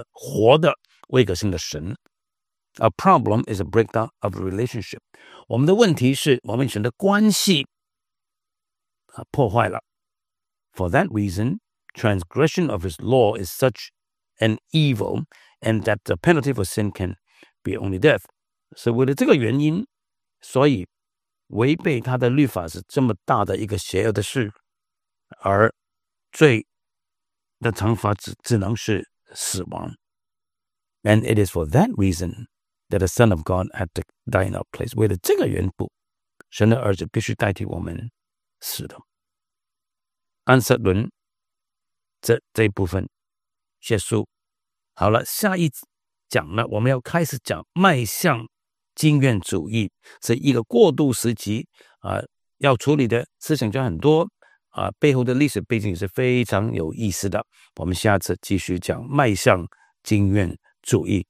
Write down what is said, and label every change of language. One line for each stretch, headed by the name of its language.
Chinese: 因为我们面对的最终不是一个抽象的律法，乃是面对这个绝对的活的为个性的神。A
English: problem is a breakdown of a relationship.
Chinese: 我们的问题是我们与神的关系破坏了。
English: For that reason, transgression of his law is such and evil, and that the penalty for sin can be only death.
Chinese: 是为了这个原因, 所以违背他的律法是这么大的一个邪恶的事, 而罪的惩罚只能是死亡。
English: And it is for that reason that the Son of God had to die in our place.
Chinese: 为了这个缘故, 神的儿子必须代替我们死的。安瑟伦这部分结束。好了，下一讲呢，我们要开始讲迈向经验主义，是一个过渡时期，要处理的思想就很多，背后的历史背景也是非常有意思的。我们下次继续讲迈向经验主义